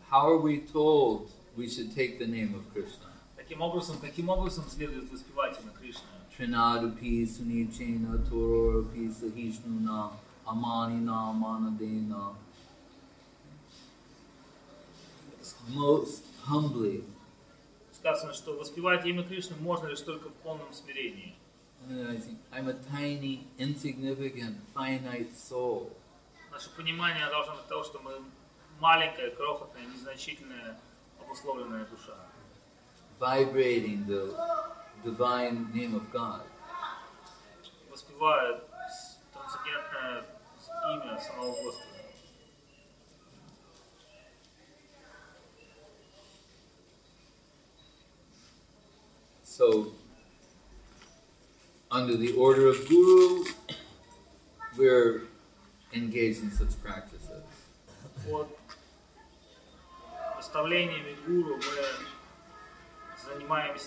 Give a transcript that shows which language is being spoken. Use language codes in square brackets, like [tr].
[en] How are we told we should take the name of Krishna? [ru] Каким образом следует воспевать имя Кришны? [sa] Тринадупи суничена торопи сахишнуна аманина манадена. [en] Most humbly. [ru] Сказано, что воспевать имя Кришны можно лишь только в полном смирении. [en] I'm a tiny, insignificant, finite soul. [ru] Наше понимание должно быть того, что мы маленькая, крохотная, незначительная, обусловленная душа. [en] Vibrating the divine name of God. [ru] Воспевает трансцендентное имя самого Господа. [en] So, under the order of Guru, we're engaged in such practices. [ru] Под наставлениями Гуру мы